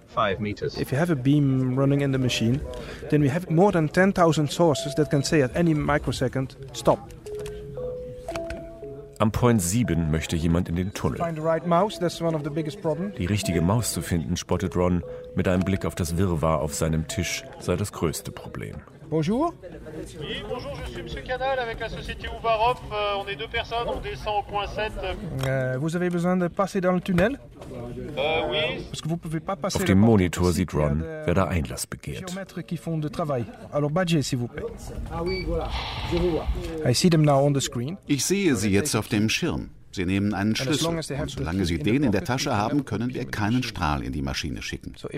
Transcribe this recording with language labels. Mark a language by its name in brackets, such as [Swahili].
[English] If you have a beam running in the machine, then we have more than 10,000 sources that can say at any microsecond stop. [German] Am Point 7 möchte jemand in den Tunnel. [English] Find the right mouse, that's one of the biggest problems. [German] Die richtige Maus zu finden, spottet Ron, mit einem Blick auf das Wirrwarr auf seinem Tisch, sei das größte Problem. [French] Bonjour. Oui, bonjour, je suis M. Canal avec la société Uvarov. On est deux personnes, on descend au point 7. Vous avez besoin de passer dans le tunnel? Oui. Parce que vous pouvez pas passer. [German] Auf dem Monitor sieht Ron, wer da Einlass begehrt. [French] Géomètres qui font de travail. Alors, Badger, s'il vous plaît. Ah oui, voilà. Je vous vois. [English] I see them now on the screen. [German] Ich sehe sie jetzt auf dem Schirm. Sie nehmen einen Schlüssel und solange Sie den in der Tasche haben, können wir keinen Strahl in die Maschine schicken.